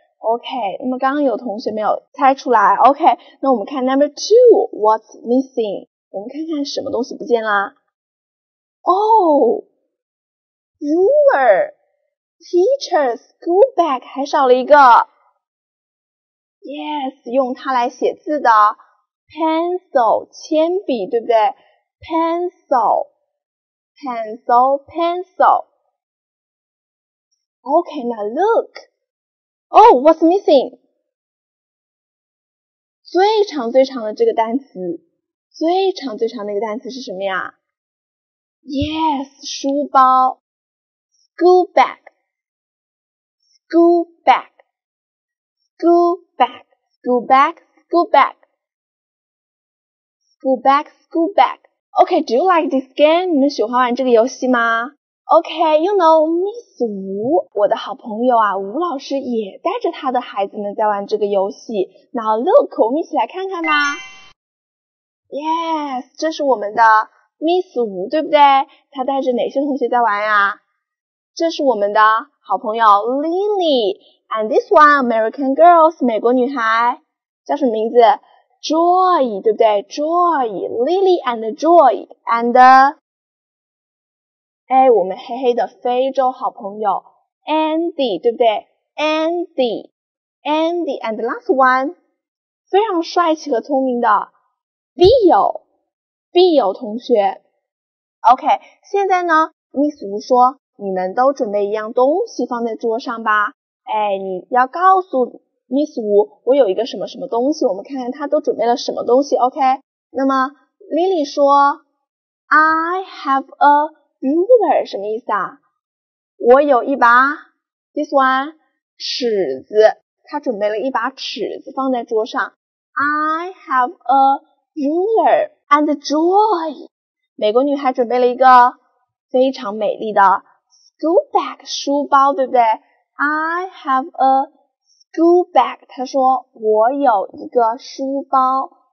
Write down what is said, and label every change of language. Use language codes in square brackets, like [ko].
[zh] OK, 那么刚刚有同学没有猜出来。 [en] OK, [zh] 那我们看 [en] number two, what's missing? [zh] 我们看看什么东西不见啦。 [en] Ruler, teacher, school bag, [zh] 还少了一个。 Yes, 用它来写字的。 Pencil, 铅笔，对不对? [en] Pencil, pencil, pencil. Okay, now look. Oh, what's missing? [zh] 最长最长的这个单词，最长最长的一个单词是什么呀? Yes, 书包。 [en] School bag, school bag, school bag, school bag, school bag, school bag, school bag. OK, do you like this game? [zh] 你们喜欢玩这个游戏吗? [en] OK, you know, [zh] Miss Wu, 我的好朋友啊，吴老师也带着他的孩子们在玩这个游戏。 [en] Now look, [zh] 我们一起来看看吧。Yes, 这是我们的 Miss Wu, 对不对？他带着哪些同学在玩啊？这是我们的好朋友 Lily, [en] and this one, American girls, [zh] 美国女孩叫什么名字 ?Joy, 对不对 ?Joy, Lily and Joy, and, 哎我们黑黑的非洲好朋友 Andy, 对不对 ?Andy, Andy, and the last one, 非常帅气和聪明的 Bill, Bill 同学。 OK, 现在呢 ,Miss Wu 说你们都准备一样东西放在桌上吧。哎，你要告诉 Miss Wu, 我有一个什么什么东西，我们看看他都准备了什么东西 ,OK? 那么 Lily 说 [en] I have a ruler, [zh] 什么意思啊？我有一把 , [en] this one, [zh] 尺子，他准备了一把尺子放在桌上。 [en] I have a ruler and joy. [zh] 美国女孩准备了一个非常美丽的School bag, 书包对不对 ? [en] I have a school bag, [zh] 他说我有一个书包。